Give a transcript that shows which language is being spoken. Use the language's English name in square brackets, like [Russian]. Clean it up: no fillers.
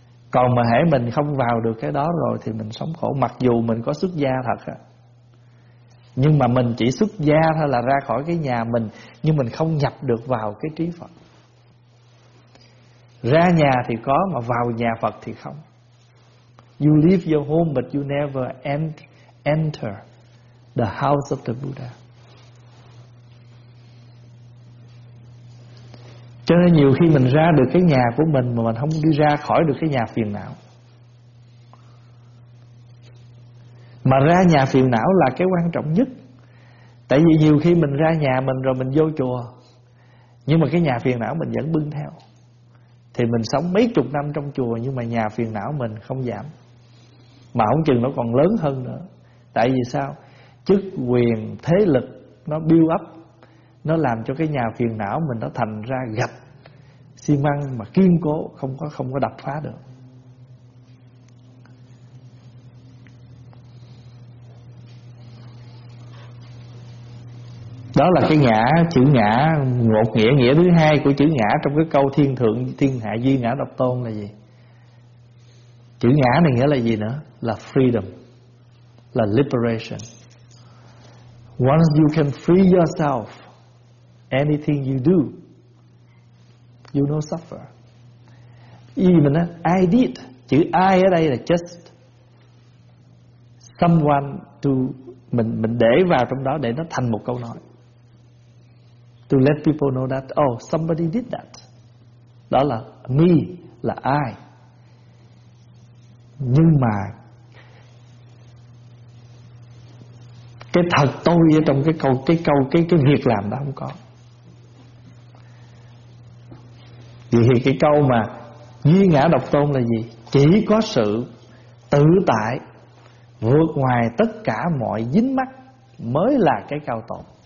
[Vietnamese] Còn mà hãy mình không vào được cái đó rồi thì mình sống khổ, mặc dù mình có xuất gia thật à. Nhưng mà mình chỉ xuất gia thôi là ra khỏi cái nhà mình, nhưng mình không nhập được vào cái trí Phật. Ra nhà thì có, mà vào nhà Phật thì không. [English] You leave your home but you never enter the house of the Buddha. [Vietnamese] Cho nên nhiều khi mình ra được cái nhà của mình mà mình không đi ra khỏi được cái nhà phiền não. Mà ra nhà phiền não là cái quan trọng nhất. Tại vì nhiều khi mình ra nhà mình rồi mình vô chùa, nhưng mà cái nhà phiền não mình vẫn bưng theo. Thì mình sống mấy chục năm trong chùa nhưng mà nhà phiền não mình không giảm, mà không chừng nó còn lớn hơn nữa. Tại vì sao? Chức quyền, thế lực nó [English] build up, [Vietnamese] nó làm cho cái nhà phiền não mình nó thành ra gạch xi măng mà kiên cố, không có đập phá được. Đó là cái ngã, chữ ngã, một nghĩa, nghĩa thứ hai của chữ ngã trong cái câu thiên thượng thiên hạ duy ngã độc tôn là gì? Chữ ngã này nghĩa là gì nữa? Là freedom, là liberation. [English] Once you can free yourself, anything you do, you no suffer. Even I did. [Vietnamese] Chữ I ở đây là [English] just someone to, [Vietnamese] mình để vào trong đó để nó thành một câu nói. [English] To let people know that, oh, somebody did that. [Vietnamese] Đó là me, là I. Nhưng mà cái thật tôi ở trong cái việc làm đó không có. Vì cái câu mà duy ngã độc tôn là gì? Chỉ có sự tự tại vượt ngoài tất cả mọi dính mắc mới là cái cao tôn.